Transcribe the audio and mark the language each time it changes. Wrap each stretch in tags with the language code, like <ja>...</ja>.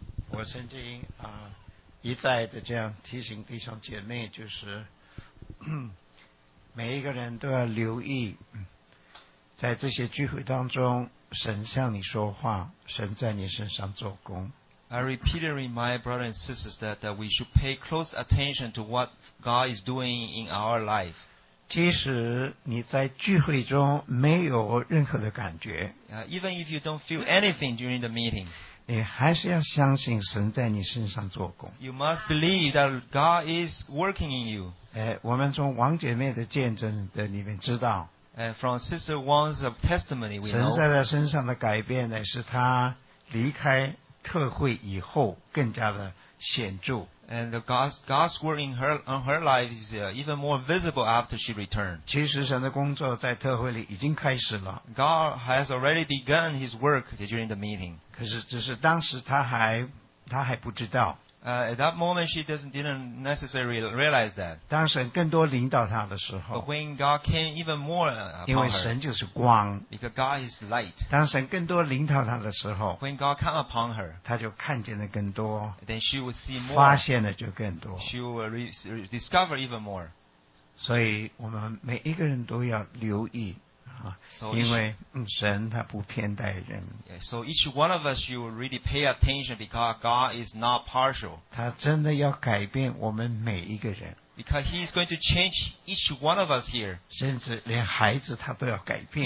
<zh>我曾经一再的这样提醒弟兄姐妹，就是每一个人都要留意，在这些聚会当中，神向你说话，神在你身上做工。</zh> <en>I repeatedly remind my brothers and sisters that we should pay close attention to what God is doing in our life.</en> <zh>即使你在聚会中没有任何的感觉</zh> <en>even if you don't feel anything during the meeting,</en> <zh>你还是要相信神在你身上做工。</zh> <en>You must believe that God is working in you.</en> <zh>我们从王姐妹的见证的里面知道</zh> <en>from Sister Wang's testimony, we know,</en> <zh>神在她身上的改变呢，是她离开特会以后更加的显著。</zh> <en>And God's work in her life is even more visible after she returned.</en> <zh>其实神的工作在特会里已经开始了。</zh> <en>God has already begun his work during the meeting.</en> <zh>可是只是当时他还不知道。</zh> <en>At that moment, she didn't necessarily realize that.</en> <zh>当神更多领导他的时候。</zh> <en>But when God came even more upon her.</en> <zh>因为神就是光。</zh> <en>Because God is light.</en> <zh>当神更多领导他的时候。</zh> <en>When God came upon her.</en> <zh>他就看见了更多。</zh> <en>Then she will see more.</en> <zh>发现了就更多。</zh> <en>She will discover even more.</en> <zh>所以我们每一个人都要留意。</zh> <en>So,</en> <zh>因为神他不偏待人。</zh> <en>Yeah, so each one of us, you really pay attention because God is not partial.</en> <zh>他真的要改变我们每一个人。</zh> <en>Because He is going to change each one of us here.</en> <zh>甚至连孩子他都要改变。</zh>